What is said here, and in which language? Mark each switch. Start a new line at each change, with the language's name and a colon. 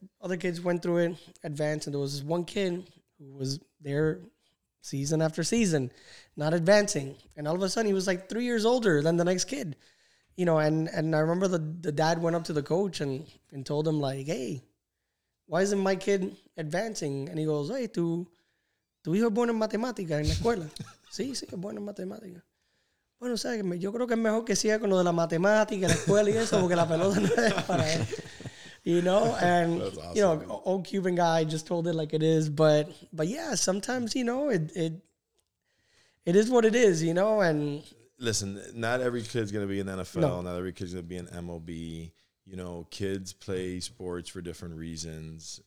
English: Other kids went through it, advanced. And there was this one kid who was there season after season, not advancing. And all of a sudden, he was like 3 years older than the next kid. You know, and I remember the dad went up to the coach and told him, like, hey, why isn't my kid advancing? And he goes, hey,
Spanish: tu hijo es bueno en matemática en la escuela. Sí, sí, es bueno en matemática. Bueno, o sea, yo creo que es mejor que siga con lo de la matemática, la escuela y eso, porque la pelota no es para él.
English: You know, and, awesome. You know, old Cuban guy just told it like it is. But yeah, sometimes, you know, it is what it is, you know. And listen, not every kid's going to be in the NFL. No. Not every kid's going to be in MLB. You know, kids play sports for different reasons.